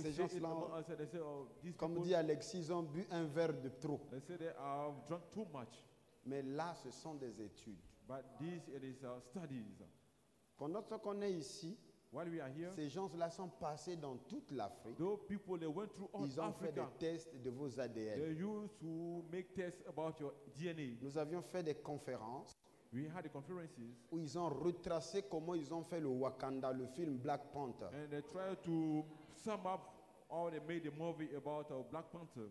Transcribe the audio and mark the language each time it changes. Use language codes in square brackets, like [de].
[fr] ces gens-là, comme dit Alexis, ils ont bu un verre de trop. [en] They say they have drunk too much. [fr] Mais là, ce sont des études. [en] But this it is our studies. [fr] Pendant ce qu'on est ici, [en] while we are here, [fr] ces gens-là sont passés dans toute l'Afrique. [en] Those people, they went through all [fr] ils ont [en] Africa. [fr] Fait des tests de vos ADN. [en] They used to make tests about your DNA. [fr] Nous avions fait des conférences. [en] We had the conferences [fr] où ils ont retracé comment ils ont fait le Wakanda, le film Black Panther. [en] And they tried to sum up how they made the movie about Black Panther.